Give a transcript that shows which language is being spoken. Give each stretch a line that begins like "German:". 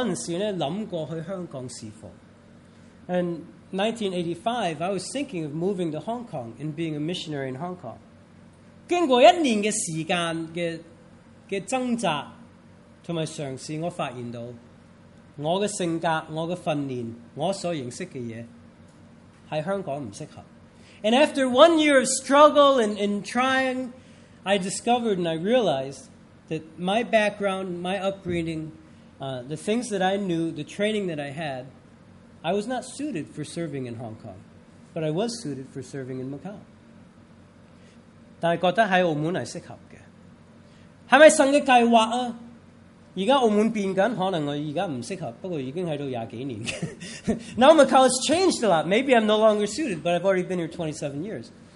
Chinese: 我85年那时候想过去香港侍奉。
English: And in 1985, I was thinking of moving to Hong Kong and being a missionary in Hong Kong.
Chinese: 经过一年的时间的挣扎, 和尝试我发现到我的性格、我的训练、我所认识的东西在香港不适合。
English: And after 1 year of struggle and trying, I discovered and I realized that my background, my upbringing, the things that I knew, the training that I had, I was not suited for serving in Hong Kong, but I was suited for serving in Macau.
Chinese: 但是觉得在澳门是适合的。是不是神的计划啊? 现在澳门变紧,可能我现在不适合,不过已经在这里二十几年。
English: Now Macau has changed a lot. Maybe I'm no longer suited, but I've already been here 27 years.